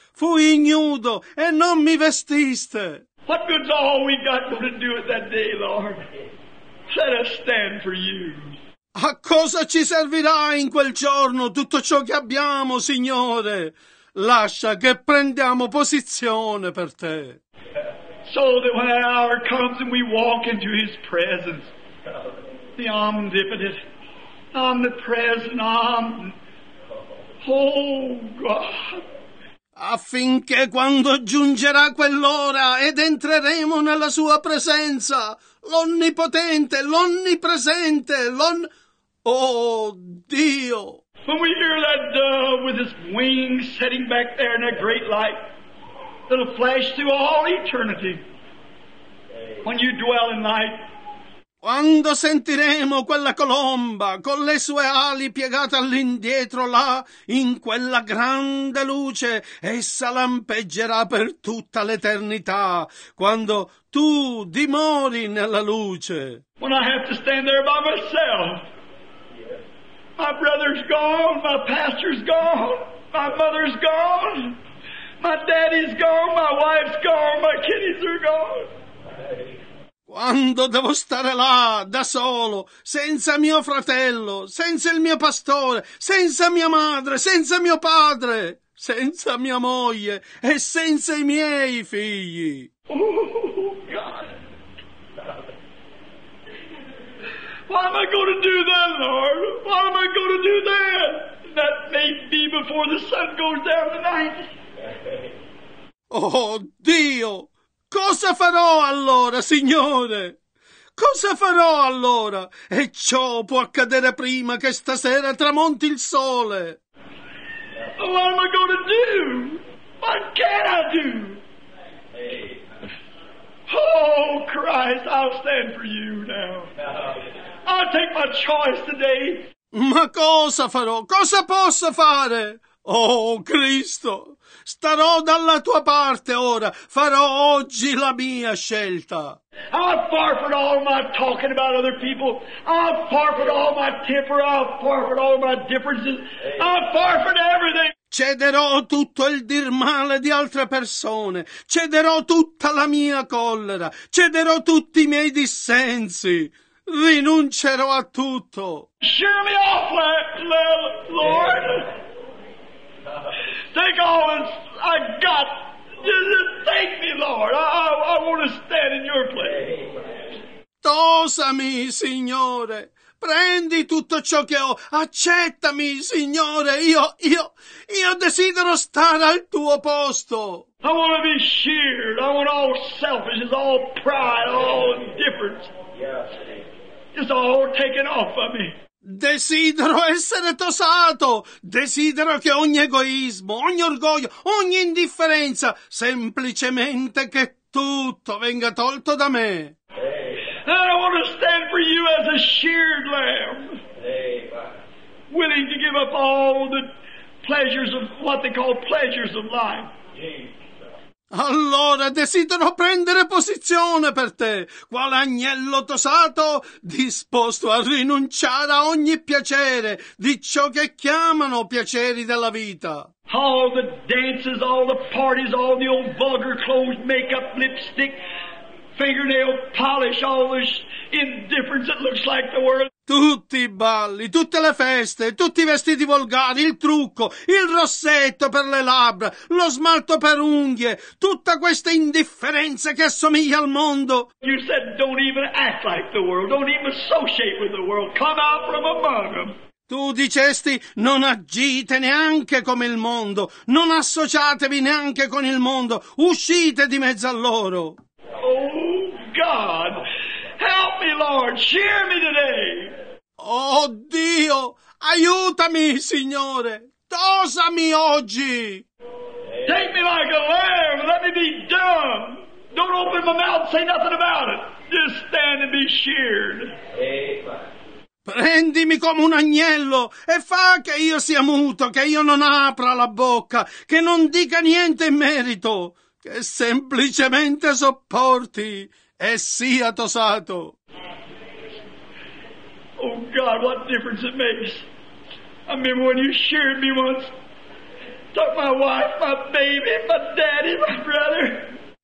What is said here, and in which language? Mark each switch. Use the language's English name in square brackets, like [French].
[Italian] Fui ignudo e non mi vestiste. [English] What good's all we got to do it that day, Lord? Let us stand for you. [Italian] A cosa ci servirà in quel giorno tutto ciò che abbiamo, Signore? Lascia che prendiamo posizione per te. [English] So that when that hour comes and we walk into his presence, the omnipotent, omnipresent, oh God. [Italian] Affinché quando giungerà quell'ora ed entreremo nella sua presenza, l'onnipotente, l'onnipresente, oh Dio. [English] When we hear that dove with his wings setting back there in a great light, that'll flash through all eternity. When you dwell in light. [Italian] Quando sentiremo quella colomba con le sue ali piegate all'indietro là, in quella grande luce, essa lampeggerà per tutta l'eternità, quando tu dimori nella luce. [English] When I have to stand there by myself. My brother's gone, my pastor's gone, my mother's gone, my daddy's gone, my wife's gone, my kiddies are gone. [Italian] Quando devo stare là, da solo, senza mio fratello, senza il mio pastore, senza mia madre, senza mio padre, senza mia moglie e senza i miei figli. [English] Oh, God. What am I going to do then, Lord? What am I going to do then? That may be before the sun goes down tonight. [Italian] Oh, Dio! Cosa farò allora, Signore? Cosa farò allora? E ciò può accadere prima che stasera tramonti il sole. [English] What am I going to do? What can I do? Oh, Christ, I'll stand for you now. I'll take my choice today. [Italian] Ma cosa farò? Cosa posso fare? Oh, Cristo! Starò dalla tua parte ora. Farò oggi la mia scelta. [English] I've forfeited all my talking about other people. I've forfeited all my temper. I've forfeited all my differences. I've forfeited everything. [Italian] Cederò tutto il dir male di altre persone. Cederò tutta la mia collera. Cederò tutti i miei dissensi. Rinuncerò a tutto. [English] Shear me off, Lord. Take all I've got. Take me, Lord. I want to stand in your place. [Italian] Tosami, Signore. Prendi tutto ciò che ho. Accettami, Signore. Io desidero stare al tuo posto. [English] I want to be sheared. I want all selfishness, all pride, all indifference. It's all taken off of me. [Italian] Desidero essere tosato. Desidero che ogni egoismo, ogni orgoglio, ogni indifferenza, semplicemente che tutto venga tolto da me. [English] I don't want to stand for you as a sheared lamb, willing to give up all the pleasures of what they call pleasures of life. [Italian] Allora desidero prendere posizione per te, quale agnello tosato, disposto a rinunciare a ogni piacere di ciò che chiamano piaceri della vita. [English] All the dances, all the parties, all the old vulgar clothes, makeup, lipstick, fingernail polish, all this indifference that looks like the world. [Italian] Tutti i balli, tutte le feste, tutti i vestiti volgari, il trucco, il rossetto per le labbra, lo smalto per unghie, tutta questa indifferenza che assomiglia al mondo. [English] You said don't even act like the world, don't even associate with the world, come out from among them. [Italian] Tu dicesti, non agite neanche come il mondo, non associatevi neanche con il mondo, uscite di mezzo a loro. [English] Oh, God, help me, Lord, cheer me today. [Italian] Oh, Dio, aiutami, Signore, tosami oggi. [English] Take me like a lamb, let me be dumb. Don't open my mouth, say nothing about it. Just stand and be sheared. [Italian] Prendimi come un agnello e fa che io sia muto, che io non apra la bocca, che non dica niente in merito. Che semplicemente sopporti e sia tosato. [English] Oh God, what difference it makes. I remember when you sheared me once. Took my wife, my baby, my daddy, my brother.